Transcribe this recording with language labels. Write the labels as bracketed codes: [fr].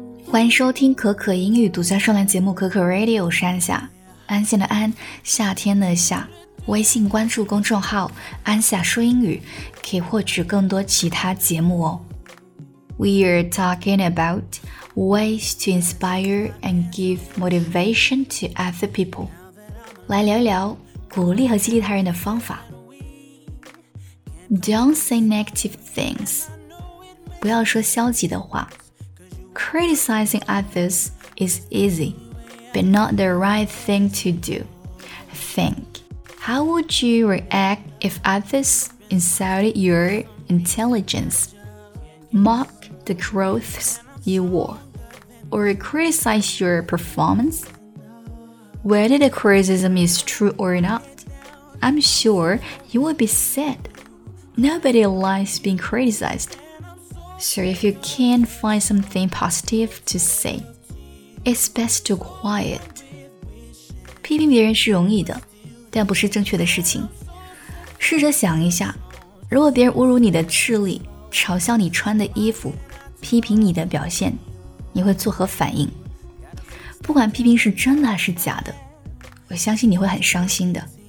[zh] 欢迎收听可可英语独家专栏节目可可 Radio， 我是安夏，安心的安，夏天的夏。微信关注公众号安夏说英语，可以获取更多其他节目哦。 [en] We are talking about ways to inspire and give motivation to other people. [zh] 来聊一聊鼓励和激励他人的方法。 [en] Don't say negative things. [zh] 不要说消极的话。 [en] Criticizing others is easy, but not the right thing to do. Think, how would you react if others insulted your intelligence? Mock the clothes you wore, or criticize your performance? Whether the criticism is true or not, I'm sure you would be sad. Nobody likes being criticized. So if you can find something positive to say, it's best to quiet. [zh] 批评别人是容易的，但不是正确的事情。试着想一下，如果别人侮辱你的智力，嘲笑你穿的衣服，批评你的表现，你会作何反应？不管批评是真的还是假的，我相信你会很伤心的。